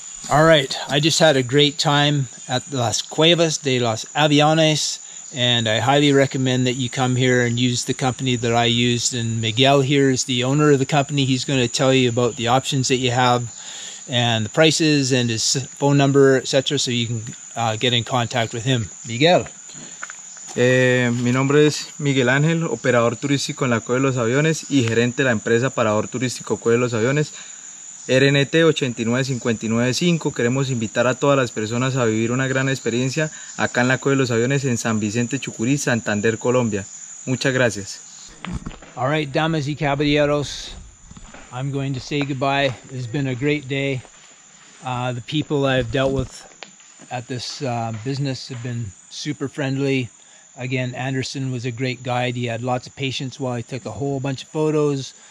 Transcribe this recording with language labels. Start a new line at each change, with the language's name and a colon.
English: All right, I just had a great time at Las Cuevas de los Aviones, and I highly recommend that you come here and use the company that I used. And Miguel here is the owner of the company. He's going to tell you about the options that you have and the prices and his phone number, etc., so you can get in contact with him. Miguel,
Spanish: Mi nombre es Migual Angel, operador turístico en la Cueva de los Aviones y gerente de la empresa Parador Turístico Cueva de los Aviones, RNT 89595. Queremos invitar a todas las personas a vivir una gran experiencia acá en la Cueva de los Aviones en San Vicente Chucuri, Santander, Colombia. Muchas gracias.
English: All right,
Spanish: damas y caballeros,
English: I'm going to say goodbye. It's been a great day. The people I've dealt with at this business have been super friendly. Again, Anderson was a great guide. He had lots of patience while I took a whole bunch of photos.